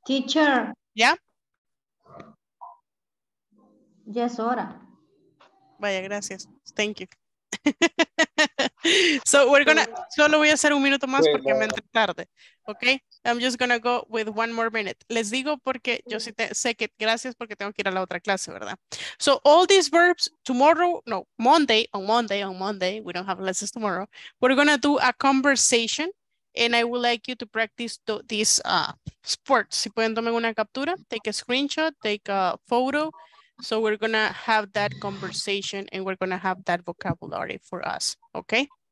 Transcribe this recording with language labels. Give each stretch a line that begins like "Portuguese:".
English: Teacher.
Spanish: ¿Ya? Ya es hora. Vaya, gracias.
English: Thank you. So we're gonna,
Spanish: solo voy a hacer un minuto más porque me entré tarde, ok.
English: I'm just gonna go with one more minute.
Spanish: Les digo porque yo sí sé que, gracias, porque tengo que ir a la otra clase, ¿verdad?
English: So all these verbs tomorrow, no, Monday, on Monday, on Monday, we don't have lessons tomorrow, we're gonna do a conversation and I would like you to practice this sport.
Spanish: Si pueden tomar una captura,
English: take a screenshot, take a photo. So we're gonna have that conversation and we're gonna have that vocabulary for us, okay?